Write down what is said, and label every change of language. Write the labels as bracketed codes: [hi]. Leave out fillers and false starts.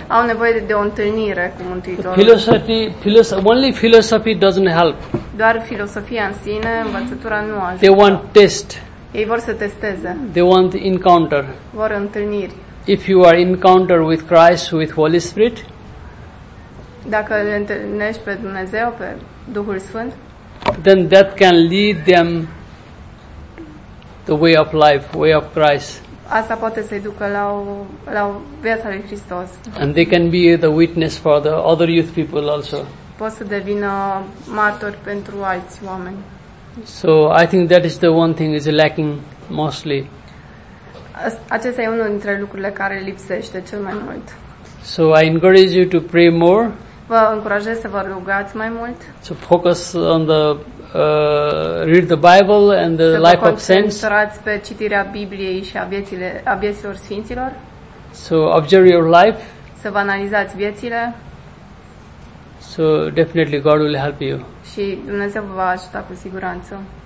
[ro] Au nevoie de o întâlnire cu Mântuitorul. [en] Only philosophy doesn't help. [ro] Doar filosofia în sine, învățătura nu ajută. [en] They want test. [ro] Ei vor să testeze. [en] They want the encounter. [ro] Vor întâlniri. [en] If you are encounter with Christ, with Holy Spirit. [ro] Dacă le întâlnești pe Dumnezeu, pe Duhul Sfânt. [en] Then that can lead them the way of life, way of Christ. [ro] Asta poate să-i ducă la viața lui Hristos. [en] And they can be the witness for the other youth people also. [ro] Pot să devină martori pentru alți oameni. [en] So I think that is the one thing is lacking mostly. [ro] Acesta e unul dintre lucrurile care lipsește cel mai mult. [en] So I encourage you to pray more. [ro] Vă încurajez să vă rugați mai mult. [en] To focus on the read the Bible and the life of saints. [ro] Să vă concentrați pe citirea Bibliei și a vieților sfinților. [en] So observe your life. [ro] Să vă analizați viețile. [en] So definitely God will help you. [ro] Și Dumnezeu vă va ajuta cu siguranță.